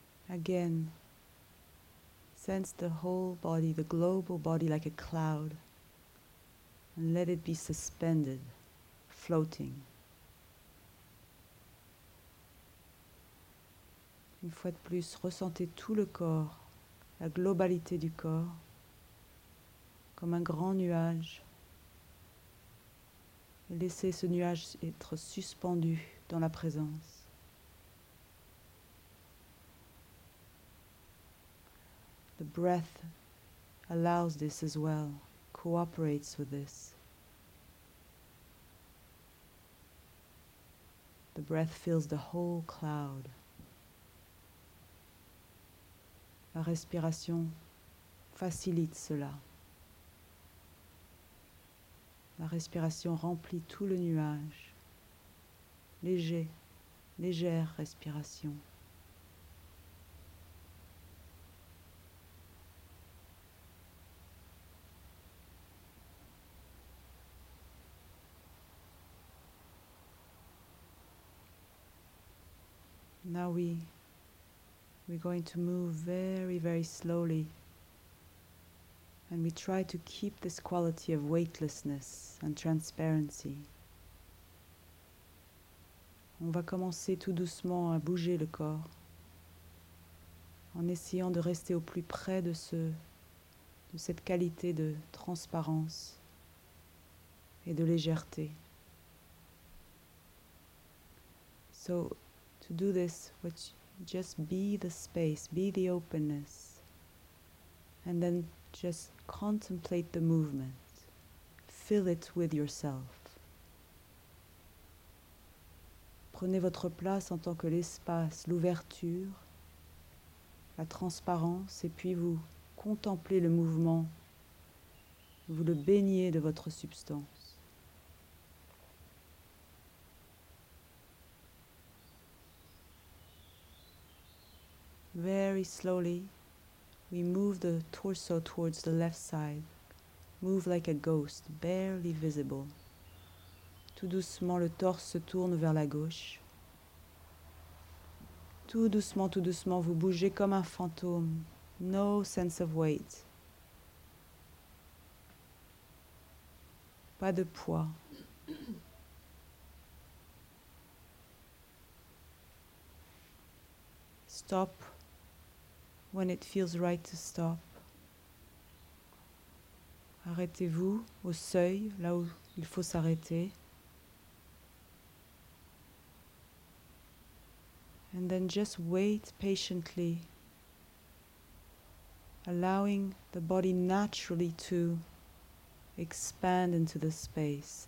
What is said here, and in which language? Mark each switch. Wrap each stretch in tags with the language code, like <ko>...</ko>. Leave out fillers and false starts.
<en>Again, sense the whole body, the global body, like a cloud, and let it be suspended, floating.</en> <fr>Une fois de plus, ressentez tout le corps, la globalité du corps, comme un grand nuage, et laissez ce nuage être suspendu dans la présence.</fr> <en>The breath allows this as well, cooperates with this. The breath fills the whole cloud.</en> <fr>La respiration facilite cela. La respiration remplit tout le nuage. Léger, légère respiration.</fr> <en>Now we're going to move very, very slowly, and we try to keep this quality of weightlessness and transparency.</en> <fr>On va commencer tout doucement à bouger le corps, en essayant de rester au plus près de cette qualité de transparence et de légèreté.</fr> <en>So, to do this, which just be the space, be the openness, and then just contemplate the movement, fill it with yourself.</en> <fr>Prenez votre place en tant que l'espace, l'ouverture, la transparence, et puis vous contemplez le mouvement, vous le baignez de votre substance.</fr> <en>Very slowly, we move the torso towards the left side. Move like a ghost, barely visible.</en> <fr>Tout doucement, le torse se tourne vers la gauche. Tout doucement, vous bougez comme un fantôme.</fr> <en>No sense of weight.</en> <fr>Pas de poids.</fr> <en>Stop. When it feels right to stop.</en> <fr>Arrêtez-vous au seuil, là où il faut s'arrêter.</fr> <en>And then just wait patiently, allowing the body naturally to expand into the space.</en>